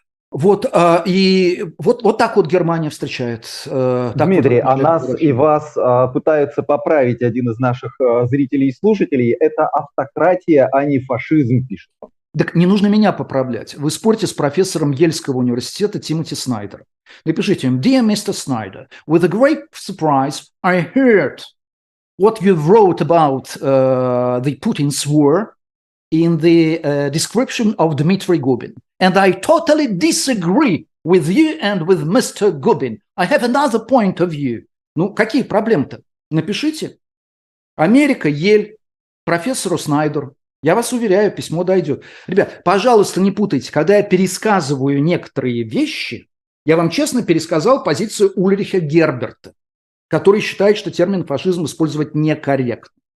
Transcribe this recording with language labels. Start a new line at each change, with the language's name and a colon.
Russian: Вот, и вот так вот Германия встречает. Дмитрий, вот, а нас и вас пытаются поправить один из наших зрителей и слушателей. Это автократия, а не фашизм, пишет он. Так не нужно меня поправлять. Вы спорьте с профессором Йельского университета Тимоти Снайдером. Напишите им:
English: «Dear Mr. Snyder, with a great surprise, I heard what you wrote about the Putin's war in the description of Dmitry Gubin. And I totally disagree with you and with Mr. Gubin. I have another point of view».
Russian: Ну, какие проблемы-то? Напишите. Америка, Йель, профессору Снайдеру. Я вас уверяю, письмо дойдет. Ребят, пожалуйста, не путайте. Когда я пересказываю некоторые вещи, я вам честно пересказал позицию Ульриха Герберта, который считает, что термин «фашизм» использовать некорректно.